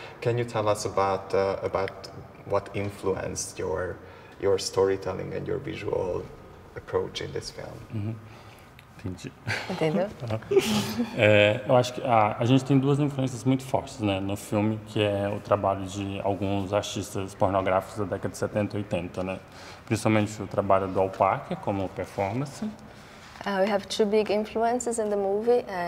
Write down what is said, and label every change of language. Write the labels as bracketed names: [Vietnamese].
[English] Can you tell us about what influenced your storytelling and your visual approach in this film? [Portuguese] Entendi. Entendeu? Eu acho que a gente tem duas influências muito fortes, né, no filme, que é o trabalho de alguns artistas pornográficos da década de 70 e 80, né? Principalmente o trabalho do Alpaca como performance. [English] We have two big influences in the movie.